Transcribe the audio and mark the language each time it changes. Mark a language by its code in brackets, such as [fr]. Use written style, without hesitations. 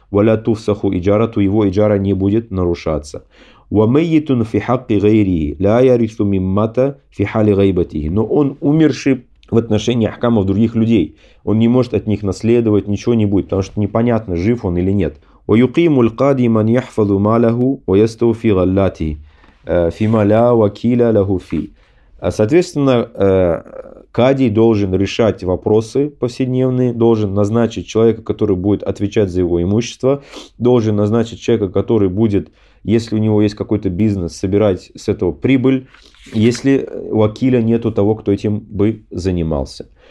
[ar] وَلَا تُفْسَخُ إِجَارَتُهُ. [ru] Его иджара не будет нарушаться. [ar] وَمَيِّتٌ فِي حَقِّ غَيْرِهِ لَا يَرِثُ مِنْ مَتَ فِي حَالِ غَيْبَتِهِ. [ru] Но он умерший в отношении ахкамов других людей. Он не может от них наследовать, ничего не будет, потому что непонятно, жив он или нет. [ar] ويقيم القاضي من يحفظ ماله ويستوفي غلاته فيما لا وكيل له في. [ru] Соответственно, кадий должен решать вопросы повседневные, должен назначить человека, который будет отвечать за его имущество, должен назначить человека, который будет, если у него есть какой-то бизнес, собирать с этого прибыль, если у вакиля нету того, кто этим бы занимался.